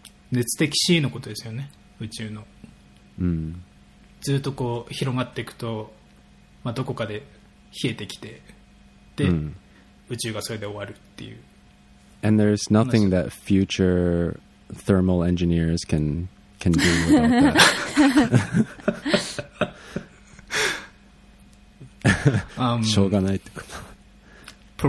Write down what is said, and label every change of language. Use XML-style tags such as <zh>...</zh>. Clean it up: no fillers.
<ja>熱的死のことですよね、宇宙の。うん、ずっとこう広がっていくと、まあ、どこかで冷えてきて、で、うん、宇宙がそれで終わるっていう。</ja> <en>And there's nothing that future thermal engineers can do about that.</en> <ja>しょうがないってこと。</ja>